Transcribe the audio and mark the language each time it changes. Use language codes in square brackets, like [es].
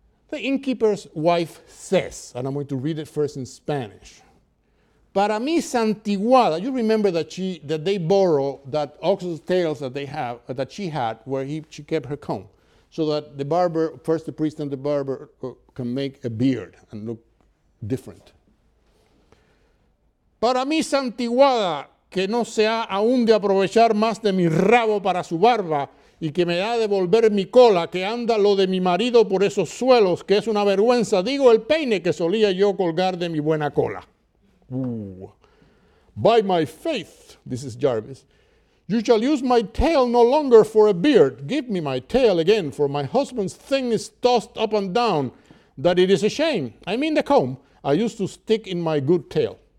[en] The innkeeper's wife says, and I'm going to read it first in Spanish, [es] "Para mí santiguada," [en] you remember that they borrow that ox's tails that they have, that she had, where she kept her comb, so that the barber, first the priest and the barber, can make a beard and look different. [es] "Para mí santiguada, que no se ha aún de aprovechar más de mi rabo para su barba, y que me ha de volver mi cola, que anda lo de mi marido por esos suelos, que es una vergüenza, digo el peine que solía yo colgar de mi buena cola." Ooh. [en] "By my faith," this is Jarvis, "you shall use my tail no longer for a beard. Give me my tail again, for my husband's thing is tossed up and down, that it is a shame. I mean the comb I used to stick in my good tail."